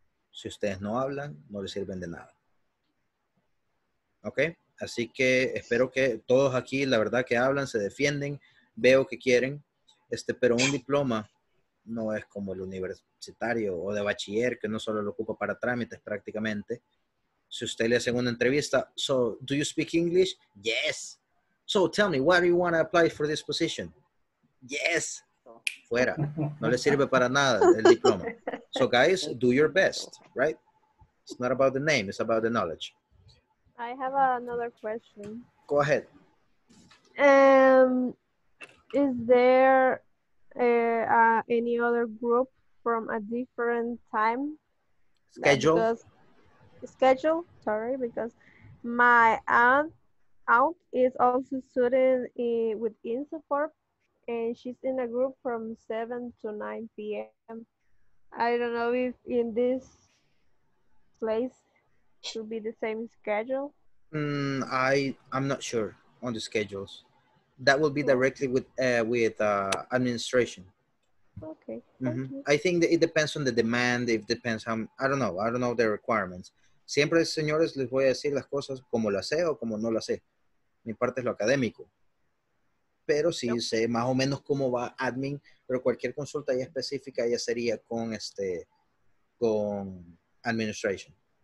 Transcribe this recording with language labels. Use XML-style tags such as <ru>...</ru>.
<es>Si ustedes no hablan, no les sirven de nada. ¿Ok? Así que espero que todos aquí, la verdad, que hablan, se defienden, veo que quieren. Pero un diploma no es como el universitario o de bachiller, que no solo lo ocupa para trámites prácticamente. Si usted le hace una entrevista,</es> <en>so, do you speak English? Yes. So, tell me, why do you want to apply for this position?</en> <es>Yes. Fuera. No le sirve para nada el diploma.</es> <en>So, guys, do your best, right? It's not about the name, it's about the knowledge. I have another question. Go ahead. Is there any other group from a different time? Schedule? Schedule, sorry, because my aunt is also student with InSupport, and she's in a group from 7 to 9 p.m. I don't know if in this place should be the same schedule. I'm not sure on the schedules. That will be directly with administration. Okay. Mm-hmm. I think that it depends on the demand. It depends on, I don't know the requirements.</en> <es>Siempre, señores, les voy a decir las cosas como las sé o como no las sé. Mi parte es lo académico. Pero sí sé más o menos cómo va admin, pero cualquier consulta ya específica ya sería con con administration.</es>